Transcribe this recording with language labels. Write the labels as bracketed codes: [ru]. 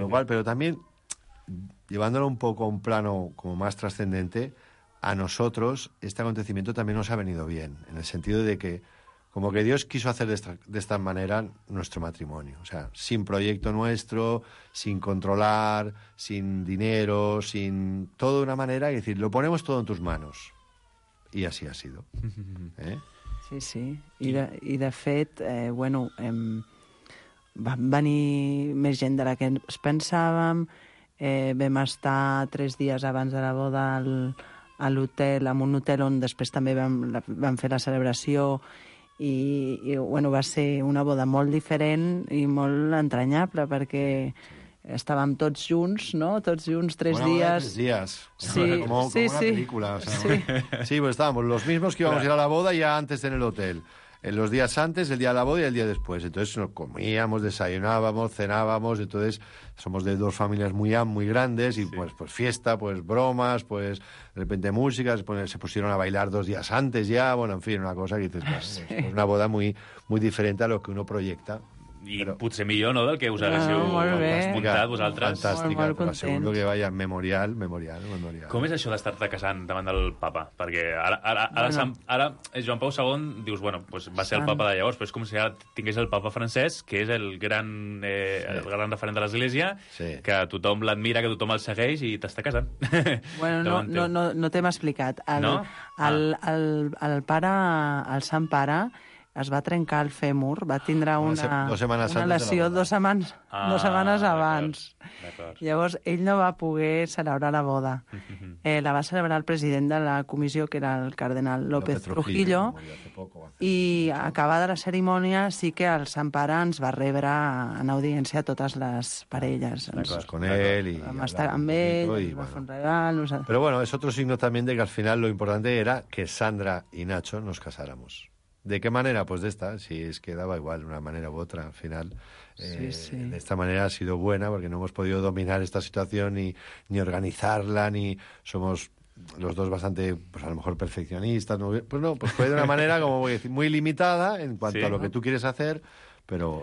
[es] lo cual, pero también, llevándolo un poco a un plano como más trascendente, a nosotros este acontecimiento también nos ha venido bien, en el sentido de que como que Dios quiso hacer de esta manera nuestro matrimonio. O sea, sin proyecto nuestro, sin controlar, sin dinero, sin... Todo de una manera, es decir, lo ponemos todo en tus manos. Y así ha sido. ¿Eh? Sí, sí. [ca] I de fet, bueno, van venir més gent de la que ens pensàvem. Vam estar 3 dies abans de la boda a l'hotel, en un hotel on després també vam fer la celebració... I, bueno, va ser una boda molt diferent i molt entranyable, perquè estàvem tots junts, no?, tots junts, tres dies. [es] Sí, como, sí, como Una película, o sea, sí. Sí, pues estábamos los mismos que íbamos a ir a la boda ya antes en el hotel. En los días antes, el día de la boda y el día después. Entonces nos comíamos, desayunábamos, cenábamos. Entonces somos de dos familias muy, muy grandes y sí, pues fiesta, pues bromas, pues de repente música. Se pusieron a bailar 2 días antes ya. Bueno, en fin, una cosa que dices, pues, sí, es una boda muy, muy diferente a lo que uno proyecta. [ca] I però... potser millor, no?, del que us haguéssiu muntat vosaltres. Fantàstica, però segur que vaya memorial. Com és això d'estar-te casant davant del papa? Perquè ara Joan Pau II dius, bueno, pues va ser el papa de llavors, però és com si ara tingués el papa francès, que és el gran, sí, el gran referent de l'Església, sí, que tothom l'admira, que tothom el segueix i t'està casant. Bueno, no t'hem explicat. El pare, el sant pare... es va trencar el fèmur, va tindre una lesió dues setmanes abans. D'acord. Llavors, ell no va poder celebrar la boda. La va celebrar el president de la comissió, que era el cardenal López Trujillo. I acabada la cerimònia, sí que el sant pare ens va rebre en audiència totes les parelles. Vam estar amb ell, va fer un regal. Però bueno, és altre signo també de que [es] al final lo importante era que Sandra i Nacho nos casáramos. ¿De qué manera? Pues de esta, si es que daba igual una manera u otra, al final. Sí. De esta manera ha sido buena, porque no hemos podido dominar esta situación ni organizarla, ni somos los dos bastante, pues a lo mejor, perfeccionistas. ¿No? Pues no, pues fue de una manera, como voy a decir, muy limitada en cuanto, sí, a lo que tú quieres hacer, pero...